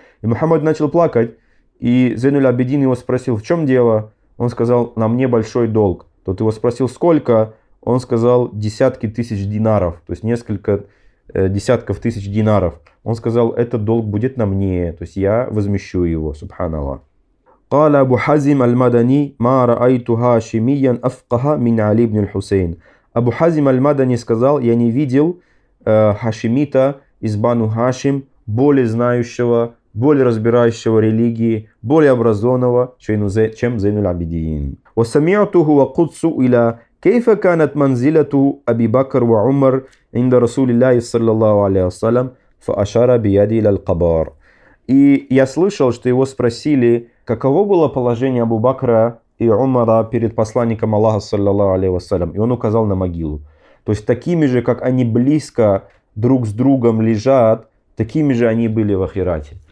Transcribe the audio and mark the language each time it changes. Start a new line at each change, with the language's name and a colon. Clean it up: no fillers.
Russian: И Мухаммад начал плакать, и Зейн-уль-Абидин его спросил, в чем дело? Он сказал, на мне большой долг. Тот его спросил, сколько? Он сказал, десятки тысяч динаров, то есть несколько десятков тысяч динаров. Он сказал, этот долг будет на мне, то есть я возмещу его, субханаллах.
Arabic: قال أبو حزم المدني ما رأيت هاشميا أفقه من علي بن الحسين.
Russian: أبو حزم المدني сказал, я не видел хашимита из бану Хашим более знающего более разбирающего религии, более образованного, чем Зейнул Абидин.
Arabic: وسمعته وقدس إلى كيف كانت منزلته أبي بكر وعمر عند رسول الله صلى الله عليه وسلم فأشار بيدي إلى القبر.
Russian: И я слышал, что его спросили, каково было положение Абу Бакра и Умара перед посланником Аллаха, саллаллаху алейхи вассалям, и он указал на могилу. То есть такими же, как они близко друг с другом лежат, такими же они были в ахирате.